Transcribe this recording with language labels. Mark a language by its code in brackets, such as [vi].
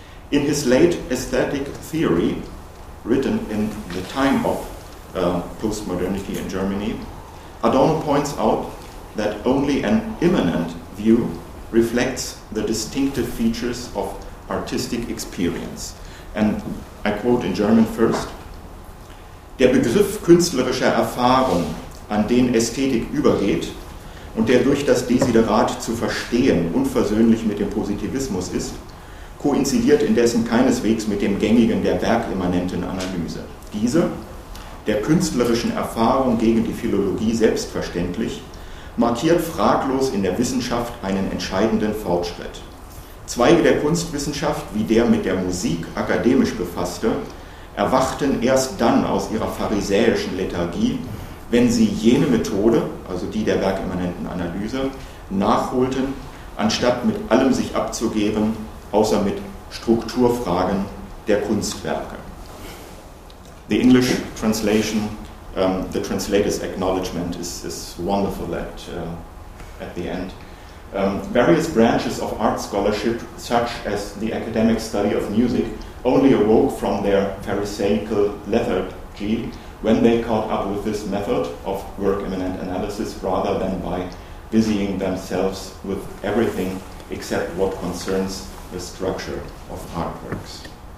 [en] In his late Aesthetic Theory, written in the time of postmodernity in Germany, Adorno points out that only an immanent view reflects the distinctive features of artistic experience. And I quote in German first, [de] "Der Begriff künstlerischer Erfahrung, an den Ästhetik übergeht und der durch das Desiderat zu verstehen unversöhnlich mit dem Positivismus ist, koinzidiert indessen keineswegs mit dem gängigen der werkimmanenten Analyse. Diese, der künstlerischen Erfahrung gegen die Philologie selbstverständlich, markiert fraglos in der Wissenschaft einen entscheidenden Fortschritt. Zweige der Kunstwissenschaft, wie der mit der Musik akademisch befasste, erwachten erst dann aus ihrer pharisäischen Lethargie, wenn sie jene Methode, also die der werkimmanenten Analyse, nachholten, anstatt mit allem sich abzugeben, außer mit Strukturfragen der Kunstwerke." [en] The English translation, the translator's acknowledgement is wonderful at the end. Various branches of art scholarship, such as the academic study of music, only awoke from their pharisaical lethargy when they caught up with this method of work immanent analysis, rather than by busying themselves with everything except what concerns the structure of artworks.